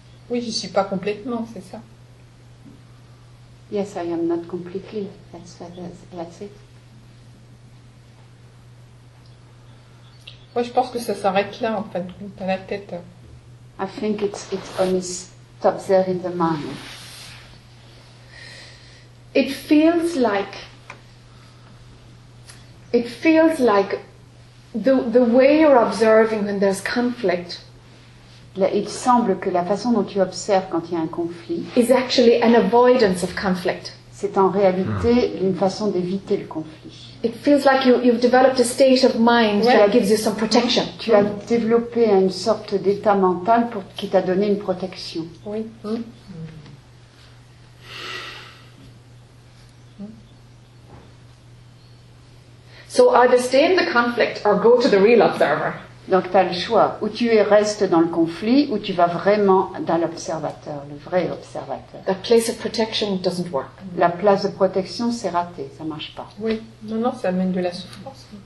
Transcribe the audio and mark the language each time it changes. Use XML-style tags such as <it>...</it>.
<fr>Oui, je ne suis pas complètement, c'est ça.</fr> <en>Yes, I am not completely. That's it.</en> <fr>Moi, je pense que ça s'arrête là, en fin de compte, à la tête.</fr> <en>I think it only stops there in the mind. It feels like the way you're observing when there's conflict.</en> <fr>Il semble que la façon dont tu observes quand il y a un conflit</fr> <en>is actually an avoidance of conflict.</en> <fr>C'est en réalité une façon d'éviter le conflit.</fr> <en>It feels like you've developed a state of mind that gives you some protection.</en> <fr>Tu as développé une sorte d'état mental pour qui t'a donné une protection. Oui.</fr> <en>So either stay in the conflict or go to the real observer.</en> <fr>Donc tu as le choix, ou tu restes dans le conflit, ou tu vas vraiment dans l'observateur, le vrai observateur.</fr> <en>The place of protection doesn't work.</en> <fr>La place de protection, c'est raté, ça ne marche pas. Oui, non, ça amène de la souffrance.</fr>